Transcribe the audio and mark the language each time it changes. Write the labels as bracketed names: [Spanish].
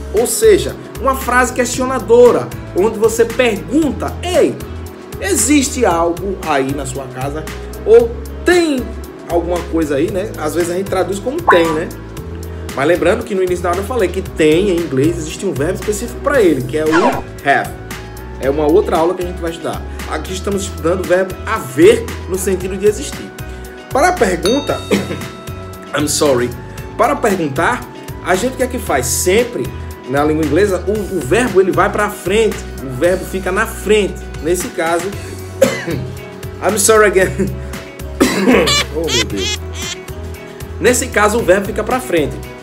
[Portuguese] Ou seja, uma frase questionadora, onde você pergunta: ei, existe algo aí na sua casa? Ou tem alguma coisa aí, né? Às vezes a gente traduz como tem, né? Mas lembrando que no início da aula eu falei que tem, em inglês, existe um verbo específico para ele, que é o have. É uma outra aula que a gente vai estudar. Aqui estamos estudando o verbo haver no sentido de existir. Para a pergunta, [English] I'm sorry. [Portuguese] Para perguntar, a gente quer que faz sempre... Na língua inglesa, o verbo ele vai para frente. O verbo fica na frente. Nesse caso... [English] I'm sorry again. [Portuguese] Oh, meu Deus. Nesse caso, o verbo fica para frente.